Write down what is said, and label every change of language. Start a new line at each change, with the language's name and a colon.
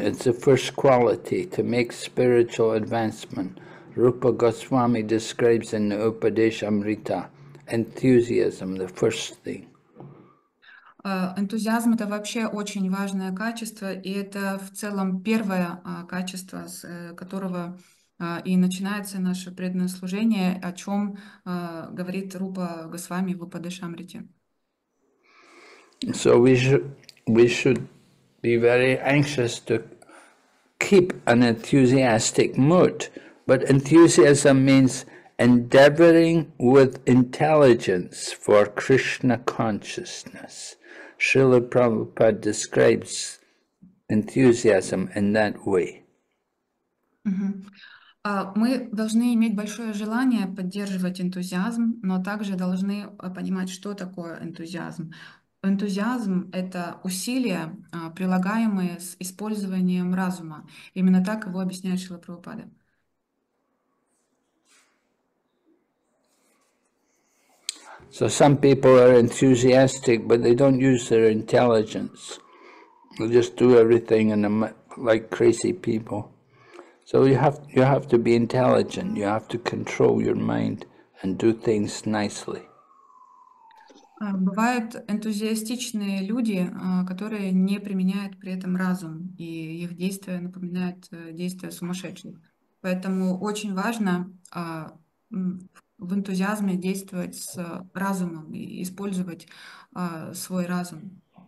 English: It's the first quality to make spiritual advancement. Rupa Goswami describes in the Upadeshamrita enthusiasm, the first thing.
Russian: Энтузиазм — это вообще очень важное качество, и это в целом первое качество, с которого и начинается наше преданное служение, о чем говорит Рупа Госвами в Упадешамрите.
English: So we should be very anxious to keep an enthusiastic mood, but enthusiasm means endeavoring with intelligence for Krishna consciousness. Srila Prabhupada describes enthusiasm in that way.
Russian: Мы должны иметь большое желание поддерживать энтузиазм, но также должны понимать, что такое энтузиазм. Энтузиазм — это усилия, прилагаемые с использованием разума. Именно так его объясняет Шрила Прабхупада.
English: So some people are enthusiastic, but they don't use their intelligence. They just do everything in like crazy people. So you have to be intelligent, you have to control your mind and do things nicely.
Russian: Бывают энтузиастичные люди, которые не применяют при этом разум, и их действия напоминают действия сумасшедших. Поэтому очень важно в энтузиазме действовать с разумом и использовать свой разум.